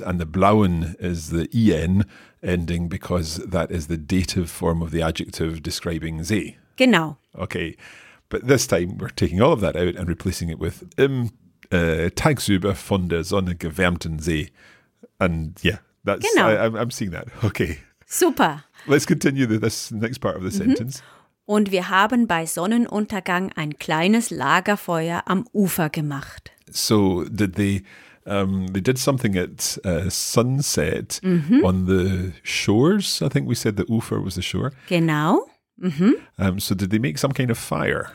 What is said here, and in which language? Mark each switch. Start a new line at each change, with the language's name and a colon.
English: And the blauen is the en ending because that is the dative form of the adjective describing See.
German: Genau.
English: Okay. But this time we're taking all of that out and replacing it with
German: im Tagsüber von der Sonne gewärmten See.
English: And yeah, that's genau. I'm seeing that. Okay.
German: Super.
English: Let's continue this next part of the sentence.
German: Und wir haben bei Sonnenuntergang ein kleines Lagerfeuer am Ufer gemacht.
English: So did they did something at sunset mm-hmm. on the shores? I think we said the Ufer was the shore.
German: Genau. Mm-hmm.
English: So did they make some kind of fire?